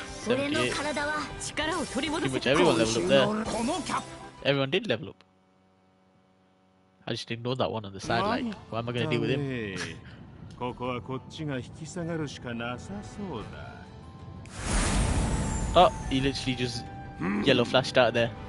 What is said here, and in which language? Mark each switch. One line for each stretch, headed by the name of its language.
English: $3,550,000. 81, 78, 78, 78. Pretty much everyone leveled up there. Everyone did level up. I just ignored that one on the side, like, why am I going to deal with him?
Japanese: ここはこっちが引き下がるしかなさそうだ。
English: Oh, he literally just yellow flashed out of there.